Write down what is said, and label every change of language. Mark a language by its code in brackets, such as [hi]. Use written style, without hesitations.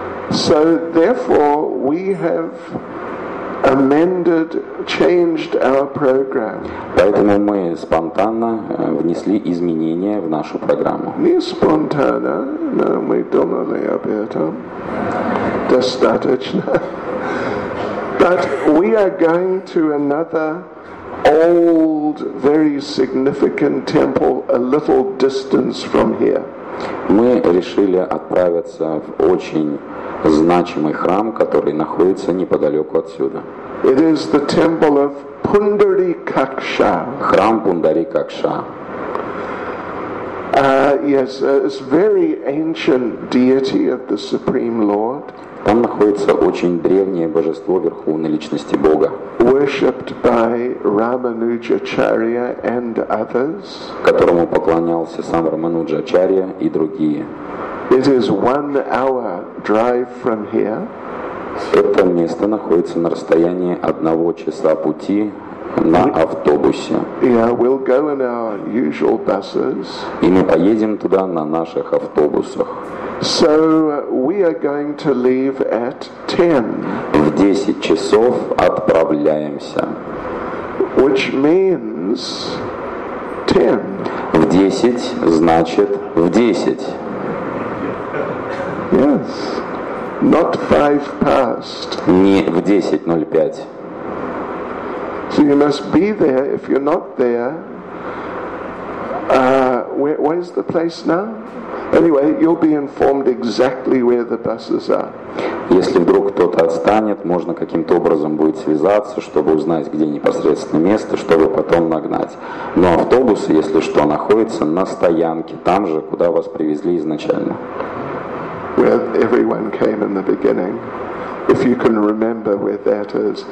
[en] So therefore we have amended, changed our program. [ru] Поэтому мы спонтанно внесли изменения в нашу программу. Не спонтанно, но мы думали об этом достаточно. [en] But we are going to another old, very significant temple a little distance from here. [ru] Мы решили отправиться в очень значимый храм, который находится неподалеку отсюда. [en] It is the temple of Пундарикакша. [ru] Храм Пундарикакша. [en] Yes, it's a very ancient deity of the Supreme Lord. [ru] Там находится очень древнее божество Верховной Личности Бога, [en] worshipped by Рамануджачария and others, [ru] которому поклонялся сам Рамануджачария и другие. [en] It is 1 hour drive from here. [ru] Это место находится на расстоянии 1 часа пути на автобусе. [en] Yeah, we'll go in our usual buses. [ru] И мы поедем туда на наших автобусах. [en] So we are going to leave at 10. [ru] В 10 часов отправляемся. [en] Which means 10. [ru] В 10 значит в 10. [en] Yes. Not 5 past. [ru] Не в 10:05. [en] So you must be there. If you're not there, where is the place now? Anyway, you'll be informed exactly where the buses are. [ru] Если вдруг кто-то отстанет, можно каким-то образом будет связаться, чтобы узнать, где непосредственно место, чтобы потом нагнать. Но автобусы, если что, находятся на стоянке, там же, куда вас привезли изначально. [en] Where everyone came in the beginning. If you can remember where that is.